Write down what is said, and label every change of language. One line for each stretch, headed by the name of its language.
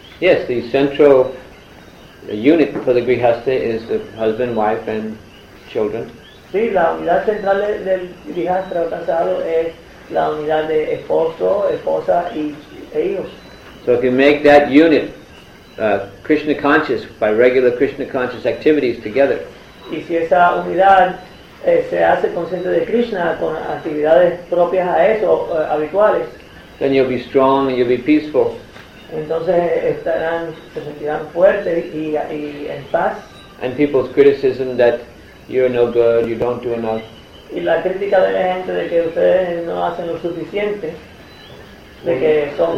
English: Yes, the central unit for the grihastha is the husband, wife, and children.
Spanish: Sí, la unidad central del grihastha casado es la unidad de esposo, esposa y hijos.
English: So if you make that unit Krishna conscious by regular Krishna conscious activities together.
Spanish: Y si esa unidad se hace consciente de Krishna con actividades propias a eso, habituales.
English: Then you'll be strong and you'll be peaceful.
Spanish: Entonces estarán, se sentirán fuertes y en paz.
English: And people's criticism that you're no good, you don't do enough.
Spanish: Y la crítica de la gente de que ustedes no hacen lo suficiente, de que son